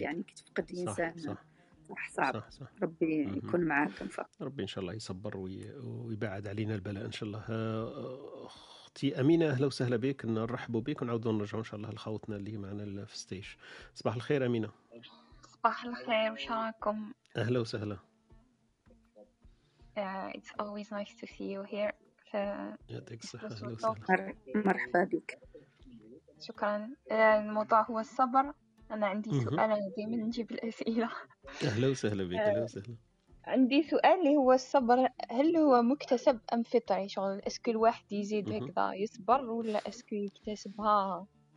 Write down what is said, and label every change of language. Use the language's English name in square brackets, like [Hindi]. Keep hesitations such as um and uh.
[Arabic] يعني كي تفقد انسان صح. صح صح. صح, صح. صح, صح ربي يكون معاك ربي ان شاء الله يصبر وي... ويبعد علينا البلاء ان شاء الله ها... اختي امينه اهلا وسهلا بك نرحبوا بك ونعاودوا نرجعوا ان شاء الله لخوتنا اللي معنا في ستيج صباح الخير امينه صباح الخير وش راكم اهلا وسهلا [English] uh, it's always nice to see you here [Arabic] يعطيك الصحة اهلا أهل وسهلا وسهل. مرحبا بك شكرا الموضوع هو الصبر انا عندي م-م. سؤال دائما نجيب الاسئله اهلا وسهلا بك اهلا وسهلا عندي سؤال اللي هو الصبر هل هو مكتسب ام فطري شغل اسكو الواحد يزيد م- هكذا يصبر ولا اسكو يكتسبها